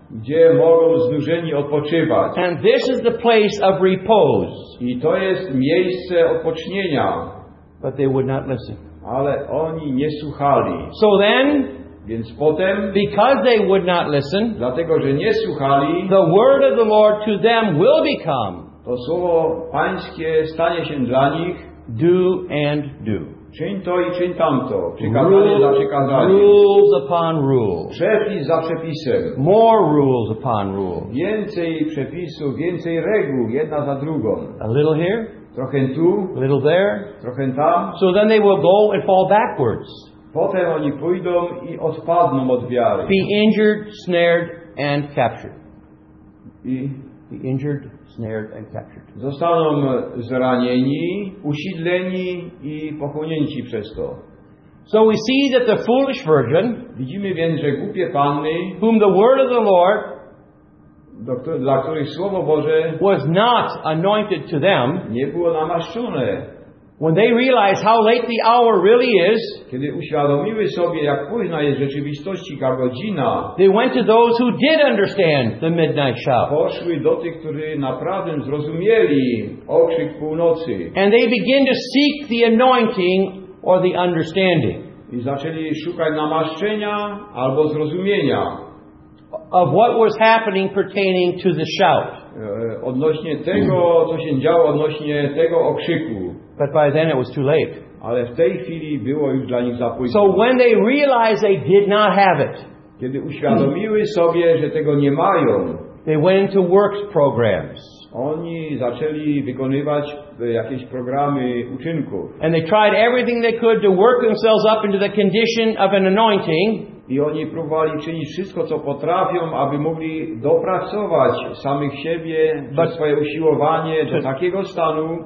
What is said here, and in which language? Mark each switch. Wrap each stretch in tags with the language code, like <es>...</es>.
<pl>Gdzie mogą znużeni odpoczywać.</pl> <en>And this is the place of repose.</en> <pl>I to jest miejsce odpocznienia.</pl> <en>But they would not listen.</en> <pl>Ale oni nie słuchali.</pl> <en>So then,</en> <pl>więc potem,</pl> <en>because they would not listen,</en> <pl>dlatego że nie słuchali,</pl> <en>the word of the Lord to them will become,</en> <pl>to słowo Pańskie stanie się dla nich,</pl> <en>do and do.</en> <pl>Czyń to i czyń tamto. Przykazanie za przykazanie.</pl> <en>Rules upon rules.</en> <pl>Przepis za przepisem.</pl> <en>More rules upon rules.</en> <pl>Więcej przepisów, więcej reguł, jedna za drugą.</pl> <en>A little here.</en> <pl>Trochę tu.</pl> <en>A little there.</en> <pl>Trochę tam.</pl> <en>So then they will go and fall backwards.</en> <pl>Potem oni pójdą i odpadną od wiary.</pl> <en>Be injured, snared, and captured.</en> <pl>I</pl> <en>be injured, snared, and captured.</en> <pl>Zostaną zranieni, usiedleni i pochłonięci przez to.</pl> <en>So we see that the foolish virgin,</en> <pl>widzimy więc, że głupie panny,</pl> <en>whom the word of the Lord,</en> <pl>dla której słowo Boże,</pl> <en>was not anointed to them,</en> <pl>nie było namaszczone.</pl> <en>When they realize how late the hour really is,</en> <pl>kiedy uświadomiły sobie, jak późna jest w rzeczywistości ta godzina,</pl> <en>they went to those who did understand the midnight shout.</en> <pl>Poszły do tych, którzy naprawdę zrozumieli okrzyk północy.</pl> <en>And they begin to seek the anointing or the understanding.</en> <pl>I zaczęli szukać namaszczenia albo zrozumienia</pl> <en>of what was happening pertaining to the shout.</en> <pl>Odnośnie tego, co się działo, odnośnie tego okrzyku.</pl> <en>But by then it was too late.</en> <pl>Ale w tej chwili było już dla nich za późno.</pl> <en>So when they realized they did not have it,</en> <pl>kiedy uświadomiły sobie, że tego nie mają,</pl> <en>they went into works programs.</en> <pl>Oni zaczęli wykonywać jakieś programy uczynków.</pl> <en>And they tried everything they could to work themselves up into the condition of an anointing.</en> <pl>I oni próbowali czynić wszystko, co potrafią, aby mogli dopracować samych siebie, przez swoje usiłowanie do takiego stanu,</pl>